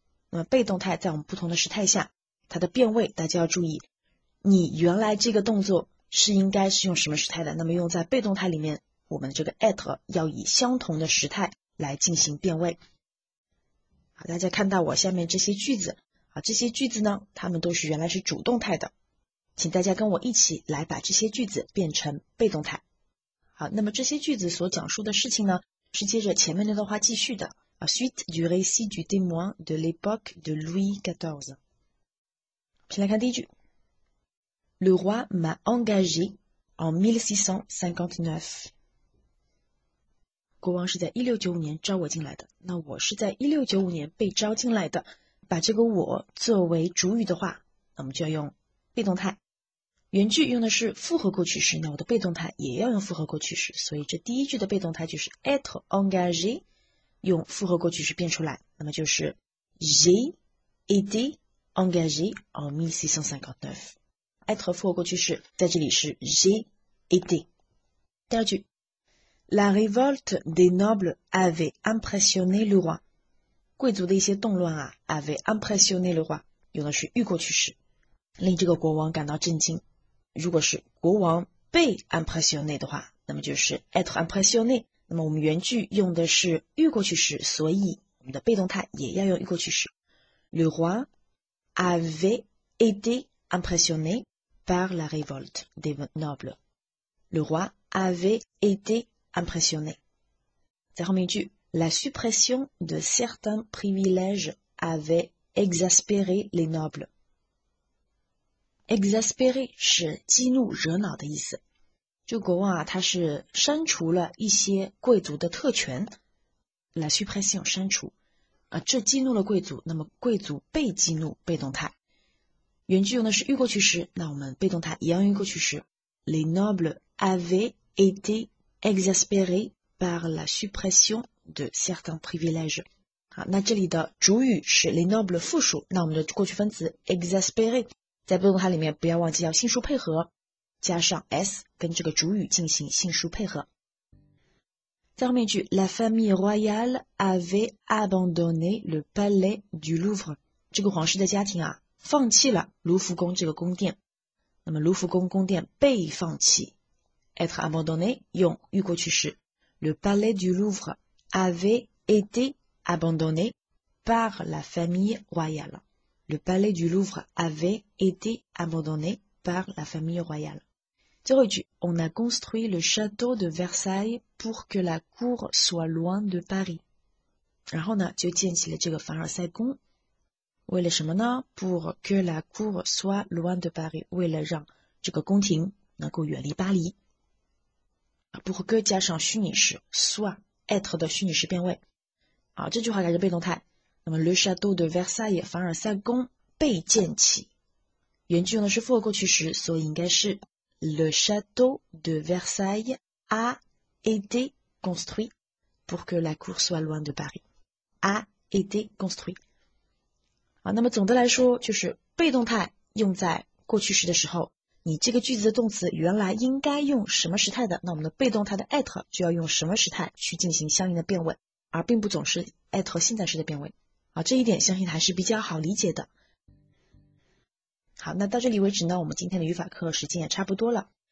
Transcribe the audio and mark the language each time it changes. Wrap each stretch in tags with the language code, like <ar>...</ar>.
<zh>那么被动态在我们不同的时态下，它的变位大家要注意，你原来这个动作是应该是用什么时态的，那么用在被动态里面，我们这个 at 要以相同的时态来进行变位。大家看到我下面这些句子啊，这些句子呢，它们都是原来是主动态的，请大家跟我一起来把这些句子变成被动态。好，那么这些句子所讲述的事情呢，是接着前面那段话继续的啊。</zh> <fr>Suite du récit du témoin de l'époque de Louis XIV。</fr> <zh>先来看第一句</zh> <fr>，Le roi m'a engagé en 1659。</fr> <zh>国王是在1695年招我进来的，那我是在1695年被招进来的，把这个我作为主语的话，那我们就要用被动态。原句用的是复合过去式，那我的被动态也要用复合过去式，所以这第一句的被动态就是 at engagé 用复合过去式变出来，那么就是 j'ai été engagé en 1659。 at 复合过去式在这里是 j'ai été。第二句，</zh> <fr>La révolte des nobles avait impressionné le roi.</fr> <zh>贵族的一些动乱啊 ,</zh> <fr>avait impressionné le roi,</fr> <zh>用的是预过去式，令这个国王感到震惊。如果是国王被 impressionné 的话，那么就是 être impressionné, 那么我们原句用的是预过去式，所以我们的被动态也要用预过去式。</zh> <fr>Le roi avait été impressionné par la révolte des nobles. Le roi avait étéimpressionné.</fr> <zh>在后面一句</zh> <fr>,la suppression de certains privilèges avait exaspéré les nobles.</fr> <zh>Exaspéré 是激怒惹恼的意思。这个国王啊，他是删除了一些贵族的特权。</zh> <fr>La suppression,</fr> <zh>删除。这激怒了贵族，那么贵族被激怒，被动态。原句用的是预过去式，那我们被动态也要用预过去式。</zh> <fr>Les nobles avaient étéexaspéré par la suppression de certains privilèges.</fr> <zh>好，那这里的主语是 les nobles 复数，那我们的过去分词 exaspéré 在被动态里面不要忘记要性数配合，加上 s 跟这个主语进行性数配合。再后面一句</zh> <fr>,la famille royale avait abandonné le palais du Louvre.</fr> <zh>这个皇室的家庭啊放弃了卢浮宫这个宫殿。那么卢浮宫宫殿被放弃。</zh> <fr>être abandonné</fr> <zh>用预过去式</zh> <fr>,le palais du Louvre avait été abandonné par la famille royale. Le palais du Louvre avait été abandonné par la famille royale.</fr> <zh>最后一句</zh> <fr>,on a construit le château de Versailles pour que la cour soit loin de Paris.</fr> <zh>然后呢就建起了这个凡尔赛宫。为了什么呢 ?</zh> <fr>pour que la cour soit loin de Paris,</fr> <zh>为了让这个宫廷能够远离巴黎。 pour que 加上虚拟式 soit être 的虚拟式变位，好，这句话改成被动态。那么 le château de Versailles 凡尔赛宫被建起，原句用的是复合过去时，所以应该是</zh> <fr>Le château de Versailles a été construit pour que la cour soit loin de Paris. A été construit.</fr> <zh>好，那么总的来说就是被动态用在过去时的时候，你这个句子的动词原来应该用什么时态的，那我们的被动态的 at 就要用什么时态去进行相应的变位，而并不总是 at 现在时的变位。好，这一点相信还是比较好理解的。好，那到这里为止呢，我们今天的语法课时间也差不多了。</zh>